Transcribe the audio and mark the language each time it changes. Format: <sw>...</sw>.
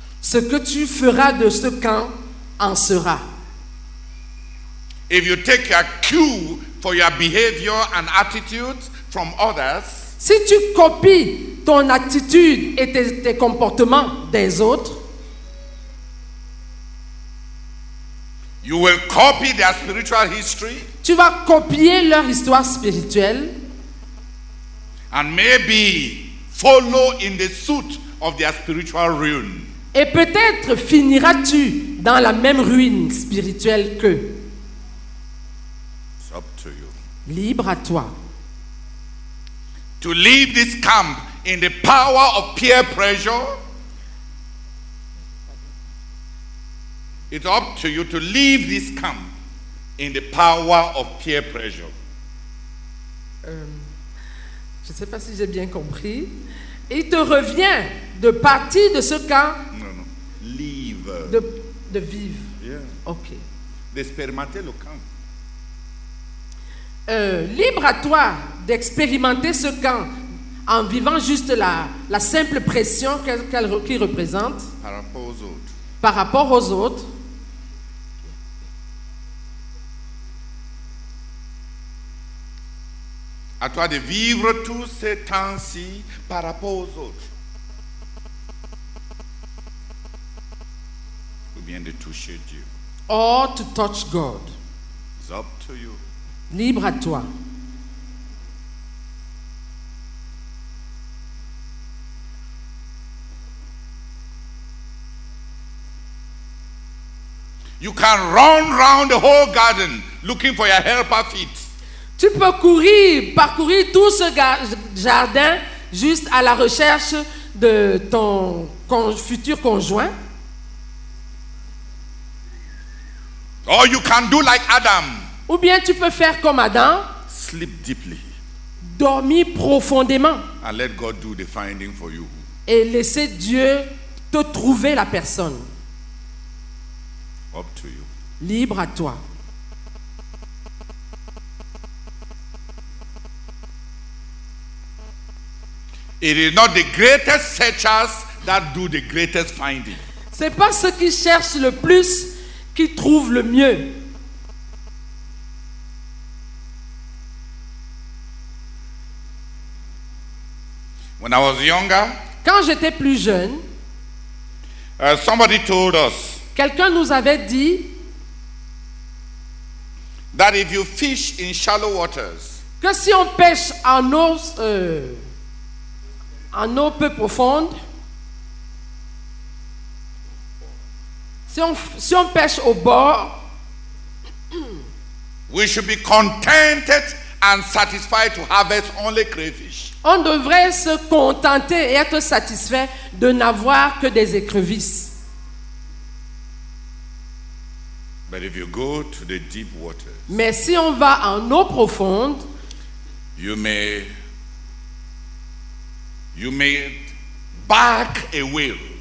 <fr>Ce que tu feras de ce camp en sera.</fr> <en>If you take your cue for your behavior and attitudes from others,</en> <fr>si tu copies ton attitude et tes comportements des autres,</fr> <en>you will copy their spiritual history,</en> <fr>tu vas copier leur histoire spirituelle,</fr> <en>and maybe follow in the suit of their spiritual ruin.</en> <fr>Et peut-être finiras-tu dans la même ruine spirituelle qu'eux.</fr> <en>It's up to you.</en> <fr>Libre à toi.</fr> <en>To leave this camp in the power of peer pressure. It's up to you to leave this camp in the power of peer pressure.</en> <fr>Je ne sais pas si j'ai bien compris. Il te revient de partir de ce camp.</fr> <en>Leave.</en> <fr>De vivre. Yeah. Ok. D'expérimenter le camp. Libre à toi d'expérimenter ce camp en vivant juste la simple pression qu'il représente par rapport aux autres. Par rapport aux autres. À toi de vivre tous ces temps-ci par rapport aux autres. Vient de toucher Dieu.</fr> <en>Or to touch God. It's up to you.</en> <fr>Libre à toi.</fr> <en>You can run round the whole garden looking for your helper feet.</en> <fr>Tu peux parcourir tout ce jardin juste à la recherche de ton futur conjoint.</fr> <en>Or you can do like Adam.</en> <fr>Ou bien tu peux faire comme Adam.</fr> <en>Sleep deeply.</en> <fr>Dormir profondément.</fr> <en>And let God do the finding for you.</en> <fr>Et laisser Dieu te trouver la personne.</fr> <en>Up to you.</en> <fr>Libre à toi.</fr> <en>It is not the greatest searchers that do the greatest finding.</en> <fr>C'est pas ceux qui cherchent le plus qui trouve le mieux.</fr> <en>When I was younger,</en> <fr>quand j'étais plus jeune,</fr> <en>somebody told us,</en> <fr>quelqu'un nous avait dit,</fr> <en>that if you fish in shallow waters,</en> <fr>que si on pêche en eau peu profonde, Si on pêche au bord,</fr> <en>we should be contented and satisfied to harvest only crayfish.</en> <fr>On devrait se contenter et être satisfait de n'avoir que des écrevisses.</fr> <en>But if you go to the deep waters,</en> <fr>mais si on va en eau profonde,</fr> <en>you may back a whale.</en>